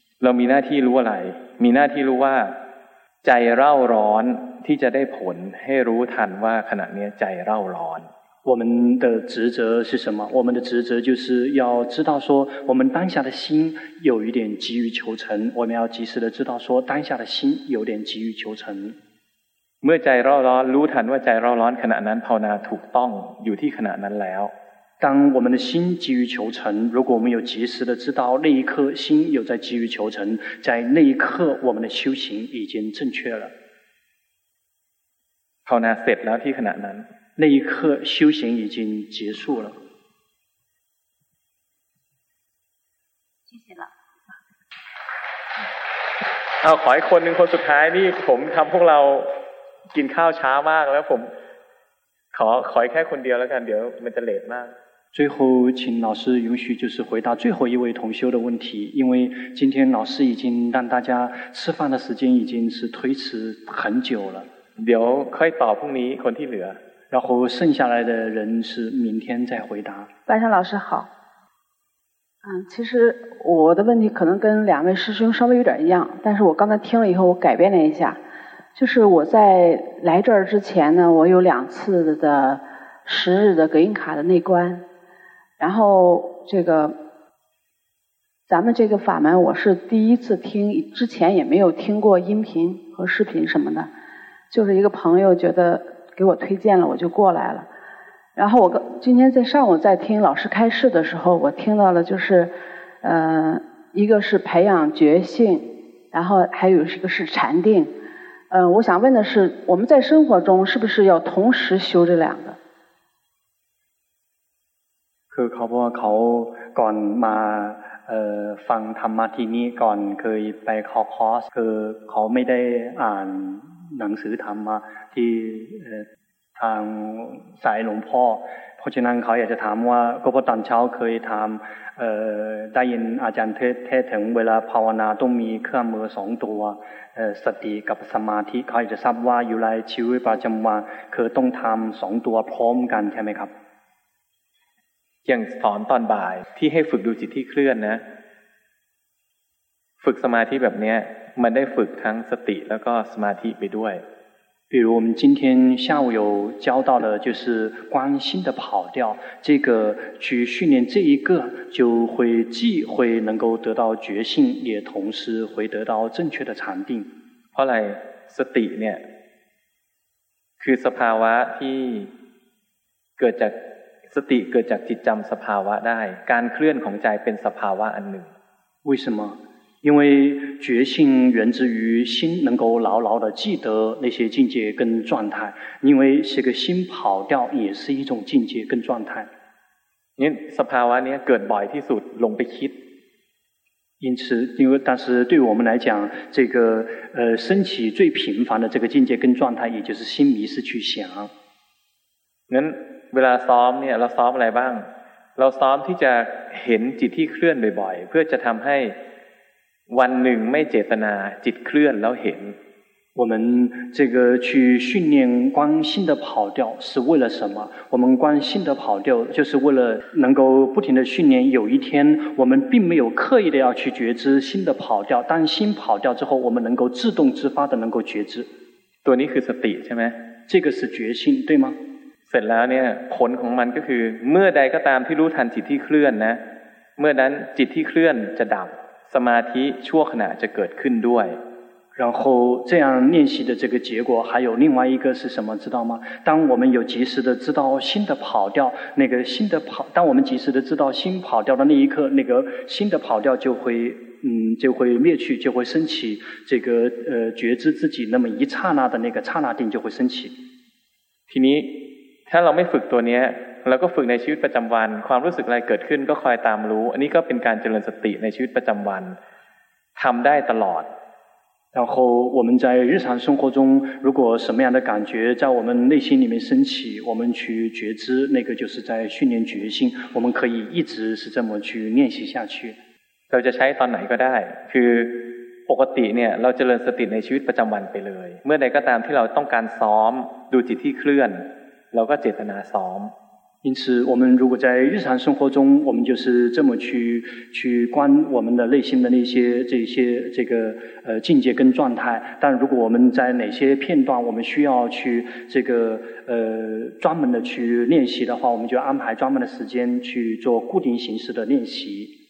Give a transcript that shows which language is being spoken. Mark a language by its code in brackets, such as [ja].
[th] เรามีหน้าที่รู้อะไรมีหน้าที่รู้ว่าใจเร่าร้อนที่จะได้ผลให้รู้ทันว่าขณะนี้ใจเร่าร้อน [zh] 我们的职责是什么？我们的职责就是要知道说，我们当下的心有一点急于求成，我们要及时的知道说，当下的心有点急于求成。 [th] เมื่อใจร้อนร้อนรู้ทันว่าใจร้อนร้อนขณะนั้นภาวนาถูกต้องอยู่ที่ขณะนั้นแล้ว [zh] 当我们的心急于求成，如果我们有及时的知道那一刻心有在急于求成，在那一刻我们的修行已经正确了。 [th] ภาวนาเสร็จแล้วที่ขณะนั้น [zh] 那一刻修行已经结束了谢谢了 [th] เอาขออีกคนหนึ่งคนสุดท้ายนี่ผมทำพวกเรากินข้าวช้ามากแล้วผมขออีกแค่คนเดียวแล้วกันเดี๋ยวมันจะเลทมาก [zh] 最后请老师允许就是回答最后一位同修的问题因为今天老师已经让大家吃饭的时间已经是推迟很久了 [th] เดี๋ยวค่อยตอบพรุ่งนี้คนที่เหลือ [zh] 然后剩下来的人是明天再回答巴山老师好其实我的问题可能跟两位师兄稍微有点一样但是我刚才听了以后我改变了一下就是我在来这儿之前呢我有两次的十日的格印卡的内观然后这个咱们这个法门我是第一次听之前也没有听过音频和视频什么的就是一个朋友觉得给我推荐了我就过来了然后我今天在上午在听老师开示的时候我听到了就是一个是培养觉性然后还有一个是禅定我想问的是我们在生活中是不是要同时修这两个 [th] คือเขาบอกว่าเขาก่อนมาฟังธรรมะที่นี่ก่อนเคยไปเข้าคอร์สคือเขาไม่ได้อ่านหนังสือธรรมะที่ทางสายหลวงพ่อเพราะฉะนั้นเขาอยากจะถามว่าก็พอตอนเช้าเคยทำได้ยินอาจารย์เทศถึงเวลาภาวนาต้องมีเครื่องมือสองตัวสติกับสมาธิเขาอยากจะทราบว่าอยู่ในชีวิตประจำวันคือต้องทำสองตัวพร้อมกันใช่ไหมครับ อย่างสอนตอนบ่ายที่ให้ฝึกดูจิตที่เคลื่อนนะฝึกสมาธิแบบนี้มันได้ฝึกทั้งสติแล้วก็สมาธิไปด้วย [zh] 比如我们今天下午有教到了就是观心的跑掉这个去训练这一个就会既会能够得到觉性也同时会得到正确的禅定 [th] เพราะอะไรสติเนี่ยคือสภาวะที่เกิดจากสติเกิดจากจิตจำสภาวะได้การเคลื่อนของใจเป็นสภาวะอันหนึ่ง [zh] 为什么因为觉性源自于心能够牢牢地记得那些境界跟状态因为这个心跑掉也是一种境界跟状态 [th] นี่สภาวะนี้เกิดบ่อยที่สุดลงไปคิด [zh] 因此因为但是对我们来讲这个升起最频繁的这个境界跟状态也就是心迷失去想 [th] งั้นเวลาซ้อมเนี่ยเราซ้อมอะไรบ้างเราซ้อมที่จะเห็นจิตที่เคลื่อนบ่อยๆเพื่อจะทำให้วันหนึ่งไม่เจตนาจิตเคลื่อนแล้วเห็น [zh] 我们这个去训练观心的跑掉是为了什么我们观心的跑掉就是为了能够不停的训练有一天我们并没有刻意的要去觉知心的跑掉当心跑掉之后我们能够自动自发的能够觉知 [th] ตัวนี้คือสติใช่ไหม [zh] 这个是觉性对吗 [th] เสร็จแล้วเนี่ยผลของมันก็คือเมื่อใดก็ตามที่รู้ทันจิตที่เคลื่อนนะเมื่อนั้นจิตที่เคลื่อนจะดับสมาธิชั่วขณะจะเกิดขึ้นด้วย [zh] 然后这样练习的这个结果还有另外一个是什么知道吗当我们有及时的知道心的跑掉那个心的跑当我们及时的知道心跑掉的那一刻那个心的跑掉就会就会灭去就会升起这个觉知自己那么一刹那的那个刹那定就会升起 [th] ทีนี้ถ้าเราไม่ฝึกตัวนี้เราก็ฝึกในชีวิตประจำวันความรู้สึกอะไรเกิดขึ้นก็คอยตามรู้อันนี้ก็เป็นการเจริญสติในชีวิตประจำวันทำได้ตลอด [zh] 然后我们在日常生活中如果什么样的感觉在我们内心里面升起我们去觉知那个就是在训练觉性我们可以一直是这么去练习下去 [th] เราจะใช้ตอนไหนก็ได้คือปกติเนี่ยเราเจริญสติในชีวิตประจำวันไปเลยเมื่อใดก็ตามที่เราต้องการซ้อมดูจิตที่เคลื่อนเราก็เจตนาซ้อม [zh] 因此我们如果在日常生活中我们就是这么去观我们的内心的那些这些这个境界跟状态但如果我们在哪些片段我们需要去这个专门的去练习的话我们就安排专门的时间去做固定形式的练习